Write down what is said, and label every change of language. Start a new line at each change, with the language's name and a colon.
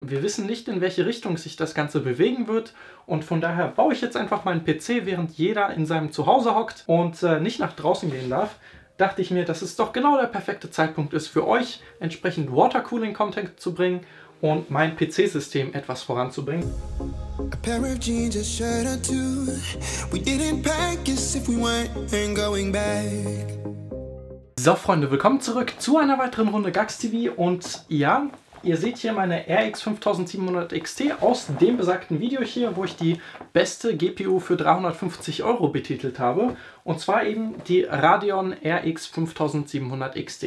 German: wir wissen nicht, in welche Richtung sich das Ganze bewegen wird. Und von daher baue ich jetzt einfach mal einen PC, während jeder in seinem Zuhause hockt und nicht nach draußen gehen darf, dachte ich mir, dass es doch genau der perfekte Zeitpunkt ist, für euch entsprechend Watercooling-Content zu bringen und mein PC-System etwas voranzubringen.
English: A pair of jeans, a shirt or two. We didn't pack us if we weren't going back.
German: So, Freunde, willkommen zurück zu einer weiteren Runde GAX TV. Und ja, ihr seht hier meine RX 5700 XT aus dem besagten Video hier, wo ich die beste GPU für 350 Euro betitelt habe. Und zwar eben die Radeon RX 5700 XT.